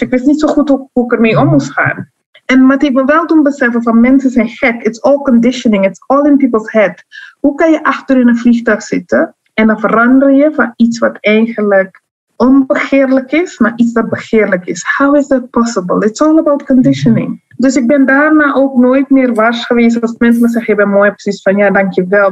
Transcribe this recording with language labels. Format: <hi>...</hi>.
<nl>Ik wist niet zo goed hoe ik ermee om moest gaan. En wat ik me wel doen beseffen van, mensen zijn gek.</nl> <en>It's all conditioning, it's all in people's head.</en> <nl>Hoe kan je achter in een vliegtuig zitten en dan verander je van iets wat eigenlijk onbegeerlijk is, naar iets dat begeerlijk is?</nl> <en>How is that possible? It's all about conditioning.</en> <nl>Dus ik ben daarna ook nooit meer wars geweest als mensen me zeggen, je bent mooi, precies van, ja, dankjewel.</nl>